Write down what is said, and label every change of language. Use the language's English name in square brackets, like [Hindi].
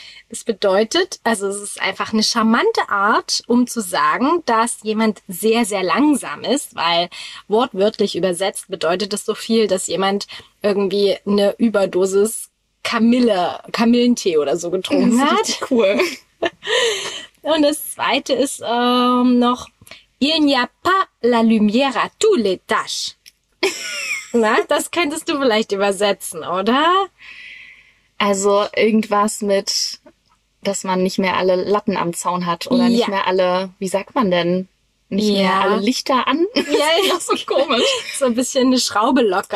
[German] Das bedeutet, also es ist einfach eine charmante Art, um zu sagen, dass jemand sehr, sehr langsam ist, weil wortwörtlich übersetzt bedeutet das so viel, dass jemand irgendwie eine Überdosis Kamillentee oder so getrunken hat. Cool. Und das zweite ist noch, [French] il n'y a pas la lumière à tous les tâches. [German] Na, das könntest du vielleicht übersetzen, oder? Also irgendwas mit, dass man nicht mehr alle Latten am Zaun hat oder nicht mehr alle, wie sagt man denn, nicht mehr alle Lichter an? Ja, das ist doch so komisch. So ein bisschen eine Schraube locker.